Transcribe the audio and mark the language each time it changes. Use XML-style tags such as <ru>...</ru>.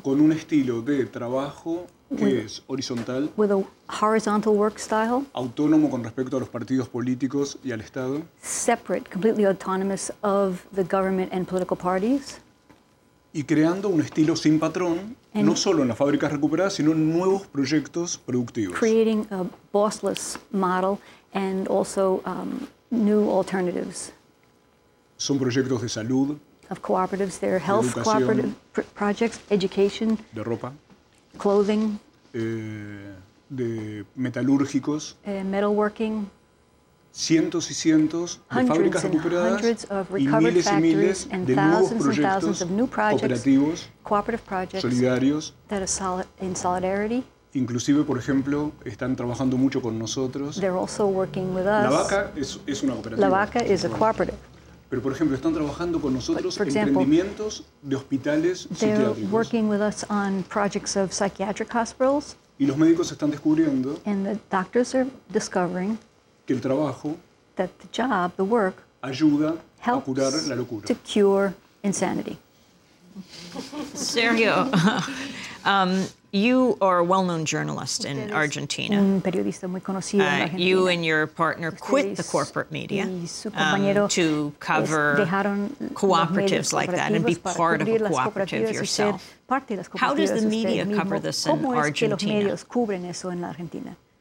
<es>con un estilo de trabajo que es horizontal,</es> <en>with a horizontal work style,</en> <es>autónomo con respecto a los partidos políticos y al Estado,</es> <en>separate, completely autonomous of the government and political parties,</en> <es>y creando un estilo sin patrón, no solo en las fábricas recuperadas, sino en nuevos proyectos productivos.</es> <en>Creating a bossless model and also new alternatives.</en> <es>Son proyectos de salud,</es> <en>of cooperatives, their health cooperative projects, education,</en> <es>de ropa,</es> <en>clothing,</en> <es>de metalúrgicos,</es> <en>metalworking,</en> <es>cientos y cientos de fábricas recuperadas y miles y miles de nuevos proyectos cooperativos, solidarios,</es> <en>that are in solidarity.</en> <es>Inclusive, por ejemplo, están trabajando mucho con nosotros.</es> <en>They're also working with us.</en> <es>La Vaca es una cooperativa.</es> <en>La Vaca is a cooperative.</en> <es>Pero, por ejemplo, están trabajando con nosotros en emprendimientos de hospitales psiquiátricos.</es> <en>They're working with us on projects of psychiatric hospitals.</en> <es>Y los médicos están descubriendo.</es> <en>And the doctors are discovering</en> <es>que el trabajo,</es> <en>that the job, the work,</en> <es>ayuda a curar la locura,</es> <en>to cure insanity. Sergio, you are a well-known journalist in Argentina.</en> <es>Un periodista muy conocido en Argentina.</es> <en>You and your partner quit the corporate media to cover cooperatives like that and be part of a cooperative yourself. How does the media cover this in Argentina?</en> <es>¿Cómo es que los medios cubren eso en la Argentina?</es>